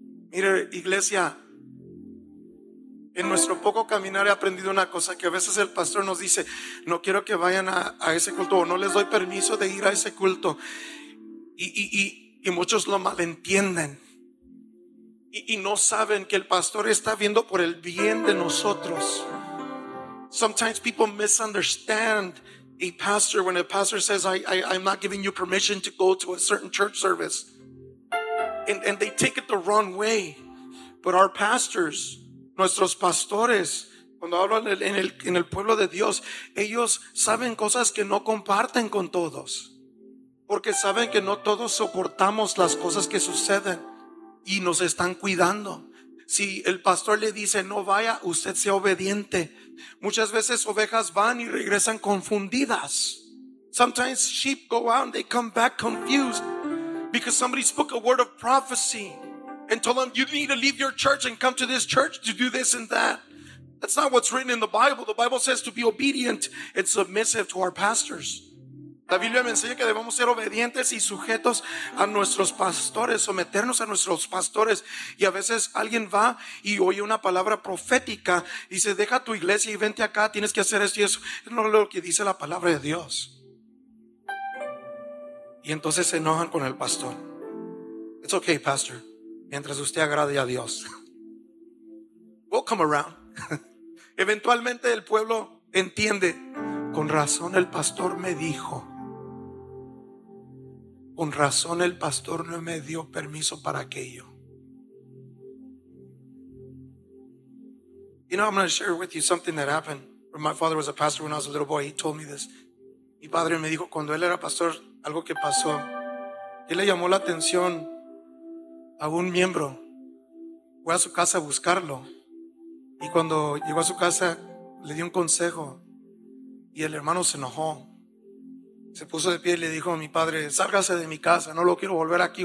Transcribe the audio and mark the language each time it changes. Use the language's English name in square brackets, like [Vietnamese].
[Spanish] Mire, iglesia, en nuestro poco caminar he aprendido una cosa, que a veces el pastor nos dice, no quiero que vayan a ese culto, o no les doy permiso de ir a ese culto. Y muchos lo malentienden. Y no saben que el pastor está viendo por el bien de nosotros. [English] Sometimes people misunderstand a pastor when a pastor says, I'm not giving you permission to go to a certain church service. And they take it the wrong way. But our pastors, [Spanish] nuestros pastores, cuando hablan en el pueblo de Dios, ellos saben cosas que no comparten con todos. Porque saben que no todos soportamos las cosas que suceden. Y nos están cuidando. Si el pastor le dice no vaya, usted sea obediente. Muchas veces ovejas van y regresan confundidas. [English] Sometimes sheep go out and they come back confused because somebody spoke a word of prophecy and told them you need to leave your church and come to this church to do this and that. That's not what's written in the Bible. The Bible says to be obedient and submissive to our pastors. [Spanish] La Biblia me enseña que debemos ser obedientes y sujetos a nuestros pastores, someternos a nuestros pastores. Y a veces alguien va y oye una palabra profética y dice, deja tu iglesia y vente acá, tienes que hacer esto y eso. No es lo que dice la palabra de Dios. Y entonces se enojan con el pastor. [English] It's okay, pastor, [Spanish] mientras usted agrade a Dios. [English] We'll come around. [Spanish] Eventualmente el pueblo entiende. Con razón el pastor me dijo. Con razón el pastor no me dio permiso para aquello. [English] You know, I'm going to share with you something that happened My father was a pastor when I was a little boy. He told me this. [Spanish] Mi padre me dijo cuando él era pastor algo que pasó. Él le llamó la atención a un miembro. Fue a su casa a buscarlo. Y cuando llegó a su casa, le dio un consejo. Y el hermano se enojó. Se puso de pie y le dijo a mi padre, sálgase de mi casa, no lo quiero volver aquí.